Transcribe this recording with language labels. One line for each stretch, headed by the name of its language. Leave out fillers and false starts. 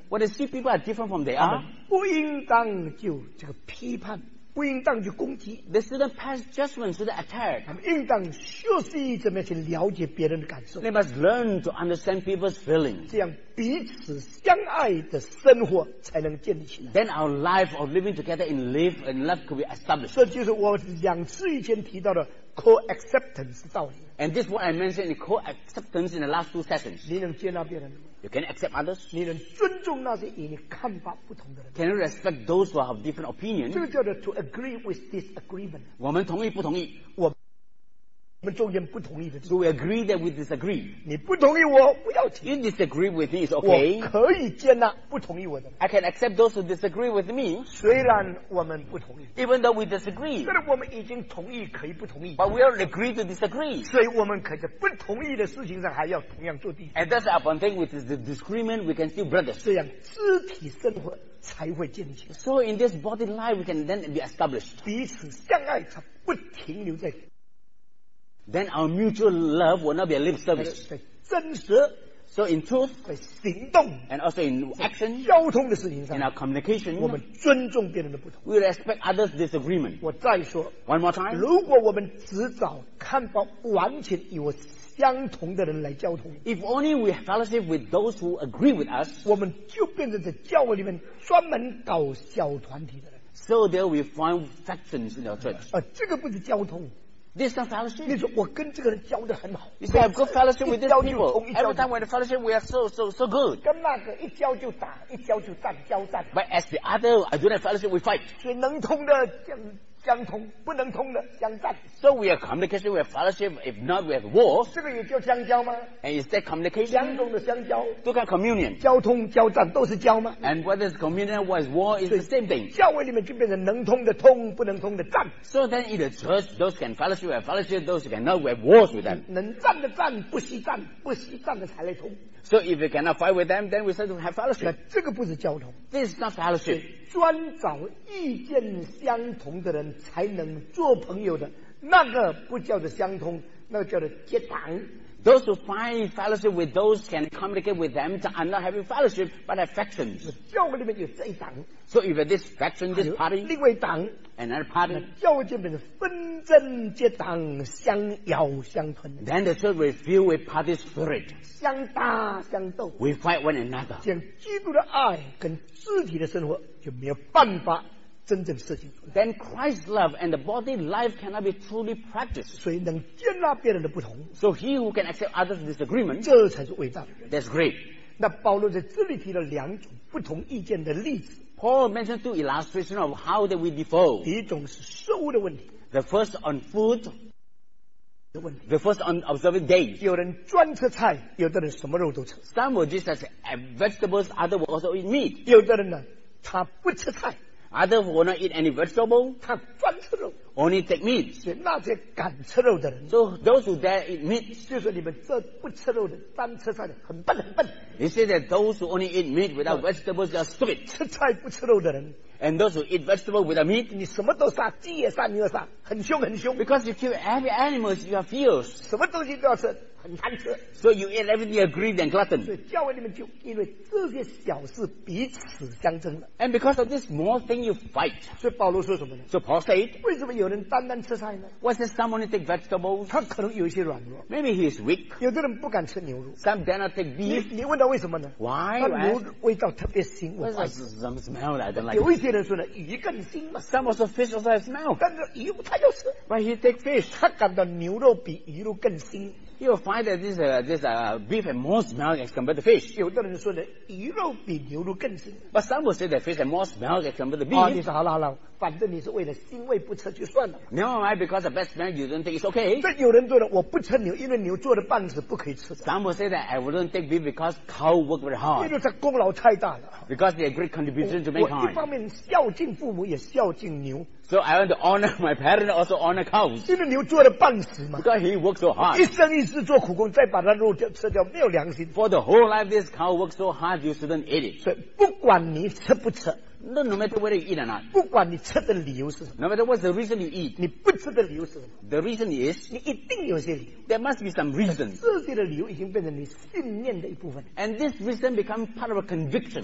English: When they see people are different from they are.
Chinese: 不应当就这个批判。不应当去攻击。
English: They shouldn't pass judgment through the attack.
Chinese: 他们应当学习怎么去了解别人的感受。
English: They must learn to understand people's feelings.
Chinese: 这样彼此相爱的生活才能建立起来。
English: Then our life of living together in love and love could be established.
Chinese: 这就是我两次以前提到的 co-acceptance 道理。
English: And this is what I mentioned in co-acceptance in the last two sessions.
Chinese: 你能接纳别人吗？
English: You can accept others.
Chinese: 你能尊重那些与你看法不同的人。
English: Can you respect those who have different opinions?
Chinese: 这个叫做
English: to agree with disagreement.
Chinese: 我们同意不同意？我们中间不同意的。
English: So we agree that we disagree.
Chinese: 你不同意我不要紧。
English: You disagree with me is okay.
Chinese: 我可以接纳不同意我的。
English: I can accept those who disagree with me.
Chinese: 虽然我们不同意。
English: Even though we disagree.
Chinese: 虽然我们已经同意可以不同意。
English: But we all agree to disagree.
Chinese: 所以我们可在不同意的事情上还要同样做弟兄。
English: And that's the upon thing with the disagreement we can still brothers.
Chinese: 这样肢体生活才会建立。
English: So in this body life we can then be established.
Chinese: 彼此相爱才不停留在。
English: Then our mutual love will not be a lip service.
Chinese: 真实
English: so in truth,
Chinese: 在行动
English: and also in action,
Chinese: 在交通的事情上
English: in our communication,
Chinese: 我们尊重别人的不同
English: we respect others' disagreement.
Chinese: 我再说
English: one more time,
Chinese: 如果我们只找看法完全与我相同的人来交通
English: if only we fellowship with those who agree with us,
Chinese: 我们就变成在教会里面专门搞小团体的人
English: so there we find factions in our church.
Chinese: 这个不是交通
English: This is not fellowship.
Chinese: 你说我跟这个人交得很好。
English: You say I have good fellowship with these people. Every time we have fellowship, we are so good.
Chinese: 跟那个一交就打，一交就战，交战。
English: But as the other, I do not fellowship, we fight.
Chinese: 所以能通的相通，不能通的相战。
English: So we have communication, we have fellowship. If not, we have war.
Chinese: 这个也叫相交吗
English: ？And is that communication?
Chinese: 两种的相交。都叫 communion. 交通、交战都是交吗
English: ？And whether it's communion or it's war, is the same thing.
Chinese: 教会里面就变成能通的通，不能通的战。
English: So then in the church, those can fellowship, we have fellowship. Those who cannot, we have wars with them.
Chinese: 能战的战，不惜战，不惜战的才来通。
English: So if we cannot fight with them, then we start to have fellowship.
Chinese: 这个不是交通。
English: This is not fellowship.
Chinese: 专找意见相同的人才能做朋友的，那个不叫做相通，那个叫做结党。
English: Those who find fellowship with those can communicate with them are not having fellowship but have factions.
Chinese: 教会里面有这一党。
English: So if this faction, this party,
Chinese: 另外党
English: another party,
Chinese: 教会里面纷争结党，相咬相吞。
English: Then the church will feel with party spirit.
Chinese: 相打相斗。
English: We fight one another.
Chinese: 这样基督的爱跟肢体的生活就没有办法。真正事情
English: then Christ's love and the body life cannot be truly practiced
Chinese: 所以能接纳别人的不同
English: so he who can accept others' disagreement
Chinese: 这才是伟大的人
English: that's great
Chinese: 那保罗在这里提了两种不同意见的例子
English: Paul mentioned two illustrations of how that we differ
Chinese: 第一种是食物的问题
English: the first on food
Chinese: 的问题
English: the first on observing days
Chinese: 有人专吃菜有的人什么肉都吃
English: some will just eat vegetables others will also eat meat
Chinese: 有的人呢他不吃菜
English: Others will not eat any vegetable.
Chinese: 他专吃肉
English: Only take meat.
Chinese: 所以那些敢吃肉的人
English: So those who dare eat meat.
Chinese: 就是你们这不吃肉的单吃菜的很笨很笨
English: He said that those who only eat meat without vegetables are stupid.
Chinese: 吃菜不吃肉的人
English: And those who eat vegetable without meat.
Chinese: 你什么都杀鸡也杀牛也杀很凶很凶。
English: Because you kill every animal, you are fierce.
Chinese: 什么东西都要吃，很贪吃。
English: So you eat everything, you're greedy and glutton.
Chinese: 所以教会里面就因为这些小事彼此相争了。
English: And because of this small thing, you fight.
Chinese: 所以保罗说什么呢？
English: So Paul said,
Chinese: 为什么有人单单吃菜呢？
English: What's this someone who takes vegetables?
Chinese: 他可能有一些软弱。
English: Maybe he is weak.
Chinese: 有的人不敢吃牛肉。
English: Some dare not take beef.
Chinese: 你问他为什么呢？
English: Why?
Chinese: 他牛肉味道特别腥。
English: What's this some smell that I don't like?
Chinese: 有一些人说呢，鱼更腥嘛。
English: Some also fish also have smell.
Chinese: 但是鱼他就吃。
English: But he takes fish.
Chinese: 他感到牛肉比鱼肉更腥。
English: You will find that this beef has more smell as compared to fish.
Chinese: 有的人说的鱼肉比牛肉更腥。
English: But some will say that fish has more smell as compared to beef.
Chinese: 你说好了好了，反正你是为了腥味不吃就算了。
English: Never mind, because the best smell you don't think is okay.
Chinese: 但有人说的我不吃牛，因为牛做的棒子不可以吃。
English: Some will say that I wouldn't take beef because cow work very hard.
Chinese: 因为它功劳太大了。
English: Because they have great contribution to mankind.
Chinese: 我一方面孝敬父母，也孝敬牛。
English: So I want to honor my parents, also honor cows.
Chinese: 因为牛做的棒子嘛。
English: Because he works so hard.
Chinese: 一生一世做苦工，再把他肉掉吃掉，没有良心。
English: For the whole life, this cow works so hard, you shouldn't eat it.
Chinese: 所以不管你吃不吃。
English: No, no matter whether you eat or not.
Chinese: 不管你吃的理由是什么。
English: No matter what's the reason you eat.
Chinese: 你不吃的理由是什么。
English: The reason is.
Chinese: 你一定有些理由。
English: There must be some reason.
Chinese: 这些的理由已经变成你信念的一部分。
English: And this reason becomes part of a conviction.